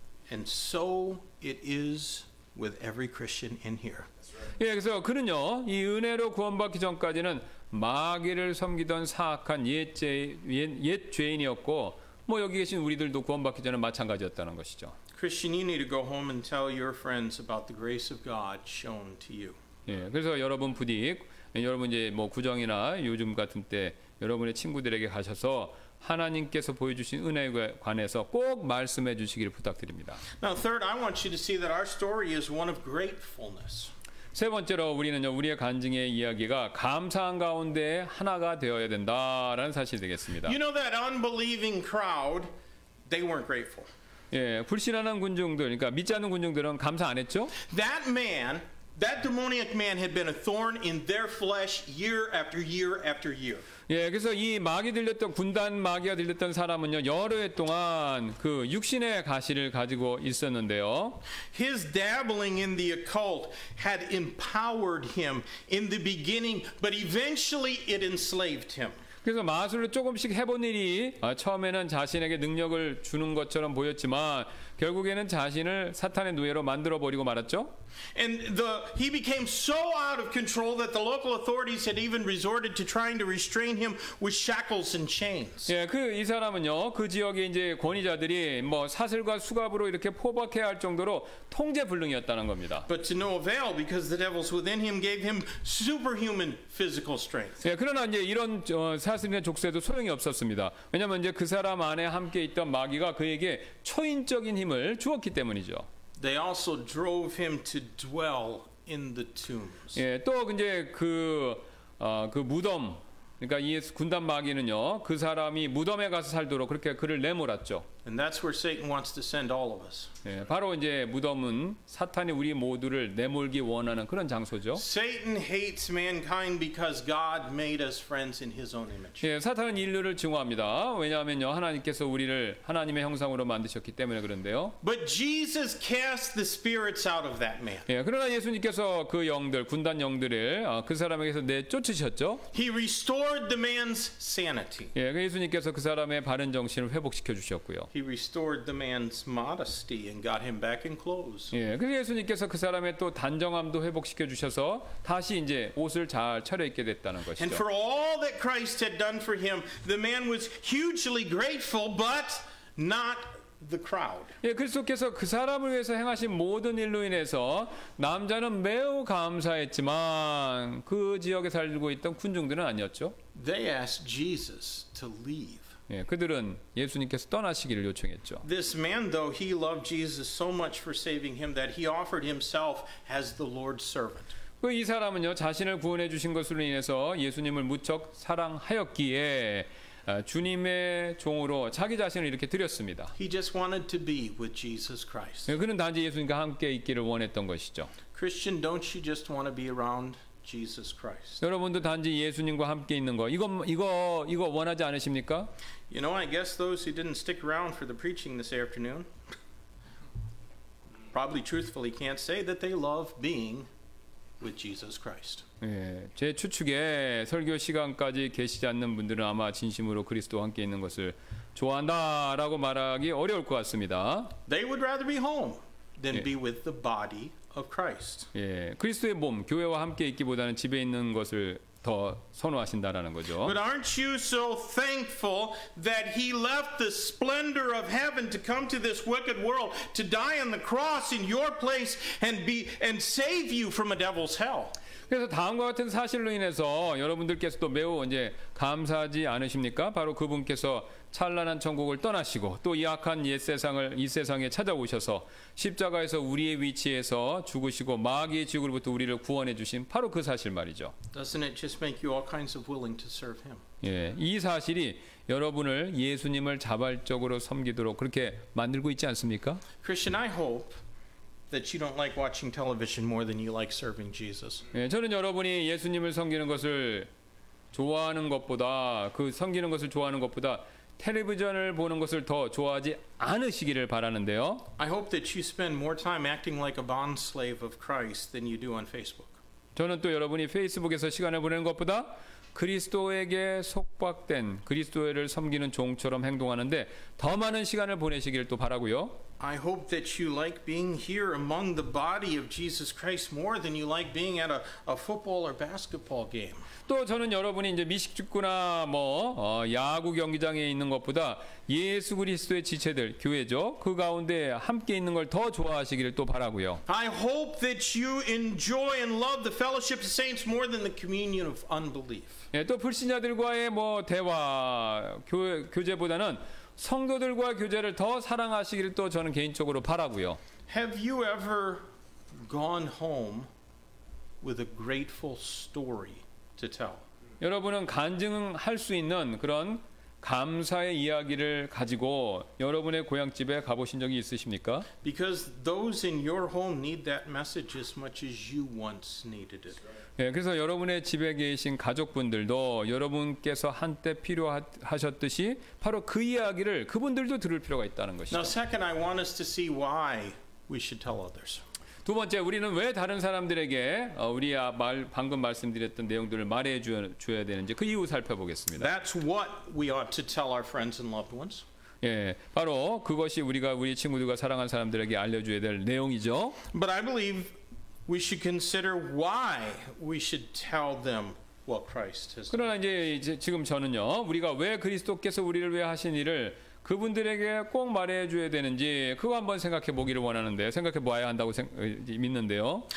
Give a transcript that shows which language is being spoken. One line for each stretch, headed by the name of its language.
English: And so it is with every Christian in here.
Korean: 예, 그래서 그는요, 이 은혜로 구원받기 전까지는 마귀를 섬기던 사악한 옛 죄인이었고. 뭐 여기 계신 우리들도 구원받기 전에 마찬가지였다는 것이죠.
English: Christian, you need to go home and tell your friends about the grace of God shown to you.
Korean: 예, 그래서 여러분 부디 여러분 이제 뭐 구정이나 요즘 같은 때 여러분의 친구들에게 가셔서 하나님께서 보여주신 은혜에 관해서 꼭 말씀해 주시기를 부탁드립니다.
English: Now, third, I want you to see that our story is one of gratefulness.
Korean: 세 번째로 우리는요, 우리의 간증의 이야기가 감사한 가운데 하나가 되어야 된다라는 사실이 되겠습니다.
English: You know that unbelieving crowd, they weren't grateful.
Korean: 예, 불신하는 군중들, 그러니까 믿지 않는 군중들은 감사 안 했죠?
English: That man, that demoniac man had been a thorn in their flesh year after year after year.
Korean: 예, 그래서 이 마귀 들렸던 군단 마귀가 들렸던 사람은요, 여러 해 동안 그 육신의 가시를 가지고 있었는데요.
English: His dabbling in the occult had empowered him in the beginning, but eventually it enslaved him.
Korean: 그래서 마술을 조금씩 해본 일이 처음에는 자신에게 능력을 주는 것처럼 보였지만 결국에는 자신을 사탄의 노예로 만들어 버리고 말았죠.
English: And he became so out of control that the local authorities had even resorted to trying to restrain him with shackles and chains.
Korean: 예, 그 이 사람은요, 그 지역의 이제 권위자들이 뭐 사슬과 수갑으로 이렇게 포박해야 할 정도로 통제 불능이었다는 겁니다.
English: But to no avail because the devils within him gave him superhuman physical strength.
Korean: 예, 그러나 이제 이런 사슬이나 족쇄도 소용이 없었습니다. 왜냐면 이제 그 사람 안에 함께 있던 마귀가 그에게 초인적인 힘을 주었기 때문이죠.
English: They also drove him to dwell in the tombs.
Korean: 예, 또 이제 그 무덤, 그러니까 이 군단 마귀는요, 그 사람이 무덤에 가서 살도록 그렇게 그를 내몰았죠.
English: And that's where Satan wants to send all of us.
Korean: 예, 바로 이제 무덤은 사탄이 우리 모두를 내몰기 원하는 그런 장소죠.
English: Satan hates mankind because God made us friends in His own image.
Korean: 예, 사탄은 인류를 증오합니다. 왜냐하면요, 하나님께서 우리를 하나님의 형상으로 만드셨기 때문에 그런데요.
English: But Jesus cast the spirits out of that man.
Korean: 예, 그러나 예수님께서 그 영들, 군단 영들을 그 사람에게서 내쫓으셨죠.
English: He restored the man's sanity.
Korean: 예, 예수님께서 그 사람의 바른 정신을 회복시켜 주셨고요.
English: He restored the man's modesty and got him back in clothes.
Korean: 예, 그래서 예수님께서 그 사람의 또 단정함도 회복시켜 주셔서 다시 이제 옷을 잘 차려입게 됐다는 것이죠.
English: And for all that Christ had done for him, the man was hugely grateful, but not the crowd.
Korean: 예, 그리스도께서 그 사람을 위해서 행하신 모든 일로 인해서 남자는 매우 감사했지만 그 지역에 살고 있던 군중들은 아니었죠.
English: They asked Jesus to leave.
Korean: 예, 그들은 예수님께서 떠나시기를 요청했죠.
English: This man, though, he loved Jesus so much for saving him that he offered himself as the Lord's servant.
Korean: 그 이 사람은요, 자신을 구원해 주신 것으로 인해서 예수님을 무척 사랑하였기에 주님의 종으로 자기 자신을 이렇게 드렸습니다.
English: He just wanted to be with Jesus Christ.
Korean: 예, 그는 단지 예수님과 함께 있기를 원했던 것이죠.
English: Christian, don't you just want to be around Jesus Christ.
Korean: 여러분도 단지 예수님과 함께 있는 거 이거 원하지 않으십니까?
English: You know, I guess those who didn't stick around for the preaching this afternoon probably truthfully can't say that they love being with Jesus Christ.
Korean: 예, 제 추측에 설교 시간까지 계시지 않는 분들은 아마 진심으로 그리스도와 함께 있는 것을 좋아한다라고 말하기 어려울 것 같습니다.
English: They would rather be home than be with the body of Christ.
Korean: 예, 그리스도의 몸, 교회와 함께 있기보다는 집에 있는 것을 더 선호하신다라는 거죠.
English: But aren't you so thankful that he left the splendor of heaven to come to this wicked world to die on the cross in your place and be and save you from a devil's hell?
Korean: 그래서 다음과 같은 사실로 인해서 여러분들께서도 매우 이제 감사하지 않으십니까? 바로 그분께서 찬란한 천국을 떠나시고 또 약한 옛 세상을 이 세상에 찾아오셔서 십자가에서 우리의 위치에서 죽으시고 마귀의 지구로부터 우리를 구원해 주신 바로 그 사실 말이죠.
English: Doesn't it just make you all kinds of willing to serve him?
Korean: 예, 이 사실이 여러분을 예수님을 자발적으로 섬기도록 그렇게 만들고 있지 않습니까?
English: Christian, I hope that you don't like watching television more than you like serving Jesus.
Korean: 예, 저는 여러분이 예수님을 섬기는 것을 좋아하는 것보다 그 섬기는 것을 좋아하는 것보다 텔레비전을 보는 것을 더 좋아하지 않으시기를 바라는데요.
English: I hope that you spend more time acting like a bond slave of Christ than you do on Facebook.
Korean: 저는 또 여러분이 페이스북에서 시간을 보내는 것보다 그리스도에게 속박된 그리스도를 섬기는 종처럼 행동하는데 더 많은 시간을 보내시기를 또 바라고요.
English: I hope that you like being here among the body of Jesus Christ more than you like being at a football or basketball game.
Korean: 또 저는 여러분이 이제 미식축구나 뭐 야구 경기장에 있는 것보다 예수 그리스도의 지체들 교회죠. 그 가운데 함께 있는 걸 더 좋아하시기를 또 바라고요.
English: I hope that you enjoy and love the fellowship of saints more than the communion of unbelief.
Korean: 예, 또 불신자들과의 뭐 대화 교제보다는 성도들과 교제를 더 사랑하시기를 또 저는 개인적으로 바라고요.
English: Have you ever gone home with a grateful story to tell?
Korean: 여러분은 간증할 수 있는 그런 감사의 이야기를 가지고 여러분의 고향집에 가보신 적이 있으십니까?
English: Because those in your home need that message as much as you once needed it.
Korean: 예, 그래서 여러분의 집에 계신 가족분들도 여러분께서 한때 필요하셨듯이 바로 그 이야기를 그분들도 들을 필요가 있다는 것이죠.
English: Now, second, I want us to see why we should tell others.
Korean: 두 번째, 우리는 왜 다른 사람들에게 우리야 방금 말씀드렸던 내용들을 말해 줘야 되는지 그 이유 살펴보겠습니다.
English: That's what we ought to tell our friends and loved ones.
Korean: 예, 바로 그것이 우리가 우리 친구들과 사랑하는 사람들에게 알려줘야 될 내용이죠.
English: But I believe we should consider why we should tell them what Christ has done.
Korean: 그러나 이제 지금 저는요, 우리가 왜 그리스도께서 우리를 위해 하신 일을 그분들에게 꼭 말해줘야 되는지 그거 한번 생각해 보기를 원하는데 생각해 봐야 한다고 믿는데요.